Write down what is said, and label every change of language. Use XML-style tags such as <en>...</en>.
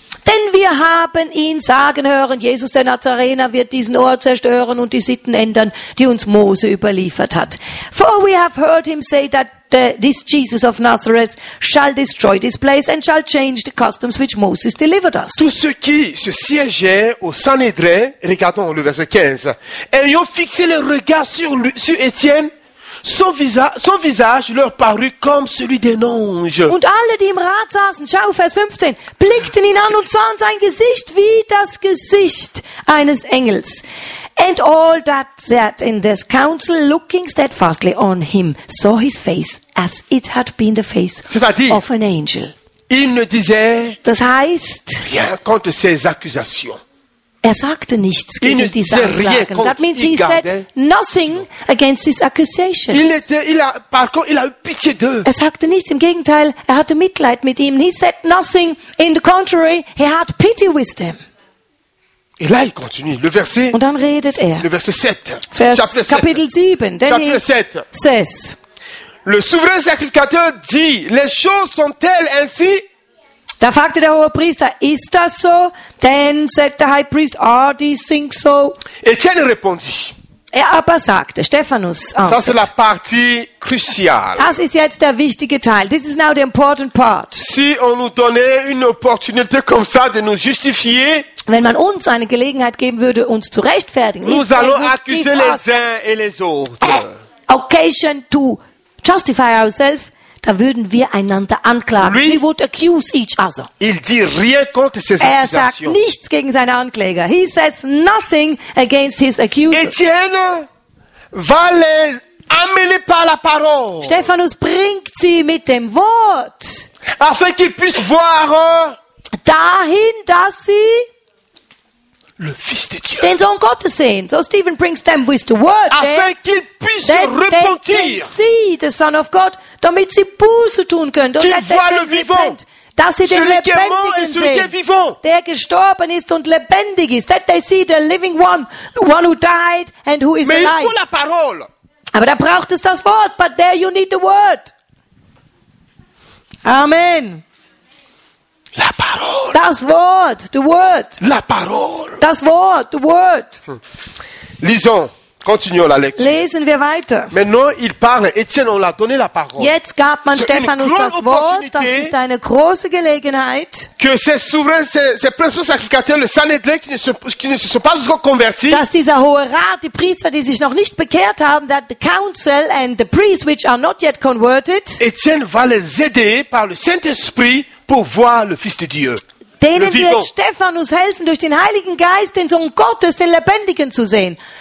<de>Denn wir haben ihn sagen hören, Jesus der Nazarener wird diesen Ort zerstören und die Sitten ändern, die uns Mose überliefert hat.</de> <en>For we have heard him say that this Jesus of Nazareth shall destroy this place and shall change the customs which Moses delivered us.</en> <fr>Tous ceux qui se siégeaient au Sanhédrin, regardons le verset 15, ayant fixé le regard sur Étienne, Son visage leur parut comme celui d'un ange.</fr> <de>Und alle, die im Rat saßen, schau, Vers 15, blickten ihn an und sahen sein Gesicht wie das Gesicht eines Engels.</de> <en>And all that sat in this council, looking steadfastly on him, saw his face as it had been the face of an angel.</en> <fr>Il ne disait</fr> <de>das heißt,</de> <fr>rien contre ses accusations.</fr> <de>Er sagte nichts gegen diese Anklagen.</de> <en>That means he said nothing against his accusations.</en> <de>Er sagte nichts, im Gegenteil, er hatte Mitleid mit ihm.</de> <en>He said nothing, in the contrary, he had pity with them.</en> <fr>Et là, il continue. Le verset,</fr> <de>und dann redet er.</de> <fr>Le verset 7.</fr> <de>Kapitel 7.</de> <en>Then</en> <fr>chapitre 7.</fr> <en>Says,</en> <fr>le souverain sacrificateur dit, les choses sont-elles ainsi?</fr> <de>Da fragte der hohe Priester, ist das so?</de> <en>Then said the high priest, are these things so?</en> <fr>Etienne répondit.</fr> <de>Er aber sagte,</de> <en>Stephanus answered.</en> <fr>Ça c'est la partie cruciale.</fr> <de>Das ist jetzt der wichtige Teil.</de> <en>This is now the important part.</en> <fr>Si on nous donnait une opportunité comme ça de nous justifier,</fr> <de>wenn man uns eine Gelegenheit geben würde, uns zu rechtfertigen,</de> <fr>nous allons accuser les uns et les autres.</fr> <en>Occasion to justify ourselves.</en> <de>Da würden wir einander anklagen.</de> <fr>Lui,</fr> <en>he would accuse each other.</en> <fr>Il dit rien contre ses accusations.</fr> <de>Er sagt nichts gegen seine Ankläger.</de> <en>He says nothing against his accusers.</en> <fr>Etienne va les amener par la parole.</fr> <de>Stephanus bringt sie mit dem Wort.</de> <fr>Afin qu'ils puissent voir</fr> <de>dahin, dass sie</de> <fr>le Fils de Dieu.</fr> <de>Den Sohn Gottes sehen.</de> <en>So Stephen brings them with the word.</en> <fr>Afin qu'ils puissent repentir.</fr> <en>They can see the Son of God,</en> <de>damit sie Buße tun können.</de> <fr>Qu'ils voient le vivant.</fr> <de>Dass sie den Lebendigen sehen. Der gestorben ist und lebendig ist.</de> <en>That they see the living one, the one who died and who is</en> <fr>mais</fr> <en>alive.</en> <fr>Mais il faut la parole.</fr> <de>Aber da braucht es das Wort.</de> <en>But there you need the word. Amen.</en> <fr>La parole.</fr> <de>Das Wort,</de> <en>the word.</en> <fr>La parole.</fr> <de>Das Wort,</de> <en>the word.</en> <fr>Lisons, continuons la lecture.</fr> <de>Lesen wir weiter.</de> <fr>Maintenant, il parle. Etienne, on l'a donné la parole.</fr> <de>Jetzt gab man Stephanus das Wort. Das ist eine große Gelegenheit.</de> <fr>Que ces souverains, ces principaux sacrificateurs, le Sanhédrin, qui ne se sont pas encore convertis.</fr> <de>Dass dieser hohe Rat, die Priester, die sich noch nicht bekehrt haben,</de> <en>that the council and the priests, which are not yet converted.</en> <fr>Etienne va les aider par le Saint-Esprit. Pour voir le Fils de Dieu.</fr> <de>Denen wird Stephanus helfen, durch den Heiligen Geist den Sohn Gottes, den Lebendigen zu sehen.</de>